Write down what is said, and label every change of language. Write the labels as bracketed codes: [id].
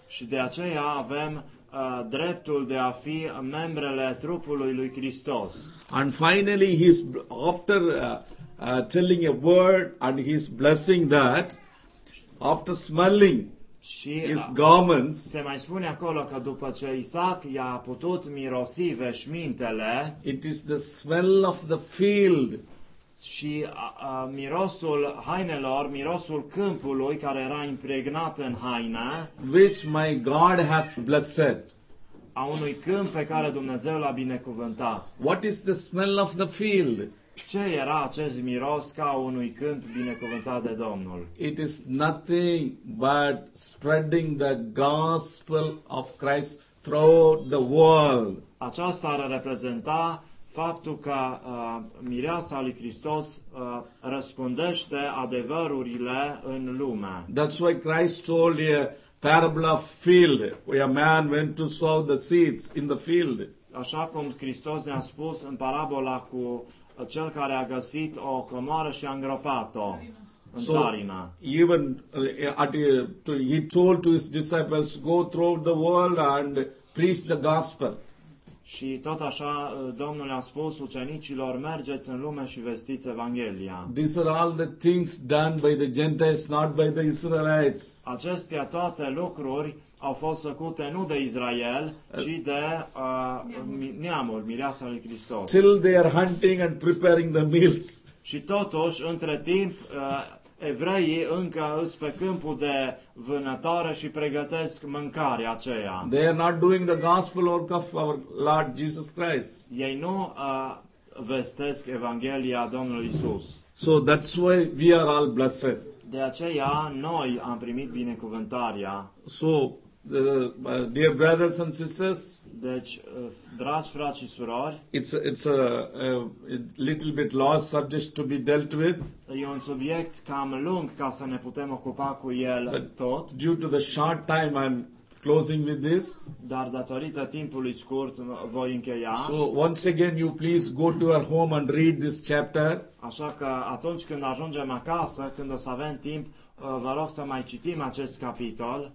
[ro] Și de aceea avem dreptul de a fi membrele trupului lui Hristos. [en] And finally he's after telling a word and he's blessing that after smelling his garments. [ro] Se mai spune acolo că după ce Isaac i-a putut mirosi veșmintele, [en] it is the smell of the field. [ro] Și mirosul hainelor, mirosul câmpului care era impregnat în haină, [en] which my God has blessed. [ro] A unui câmp pe care Dumnezeu l-a binecuvântat. [en] What is the smell of the field? [ro] Ce era acest miros ca unui câmp binecuvântat de Domnul? [en] It is nothing but spreading the gospel of Christ throughout the world. [ro] Aceasta ar reprezenta faptul că mireasa lui Hristos răspundește adevărurile în lume. [en] That's why Christ told you parable of field, where a man went to sow the seeds in the field. [ro] Așa cum Hristos ne-a spus în parabola cu cel care a găsit o comoară și a îngropat-o în țarină. [en] So, even he told to his disciples, go throughout the world and preach the gospel. [ro] Și tot așa Domnul a spus ucenicilor, mergeți în lume și vestiți Evanghelia. [en] These are all the things done by the Gentiles, not by the Israelites. [ro] Acestea toate lucruri au fost făcute nu de Israel, ci de neamul, mireasa lui Hristos. [en] Still they are hunting and preparing the meals. [ro] Și totuși, între timp, evreii încă sunt pe câmpul de vânătoare și pregătesc mâncarea aceea. [en] They are not doing the gospel work of our Lord Jesus Christ. [ro] Ei nu vestesc Evanghelia Domnului Isus. [en] So that's why we are all blessed. [ro] De aceea noi am primit binecuvântarea. [en] So, dear brothers and sisters, [ro] deci, dragi frați și surori, [en] it's a little bit large subject to be dealt with. [ro] E un subiect cam lung ca să ne putem ocupa cu el tot. [en] Due to the short time, I'm closing with this. [ro] Dar datorită timpului scurt, voi încheia. [en] So, once again, you please go to your home and read this chapter. [ro] Așa că atunci când ajungem acasă, când o să avem timp, vă rog să mai citim acest capitol.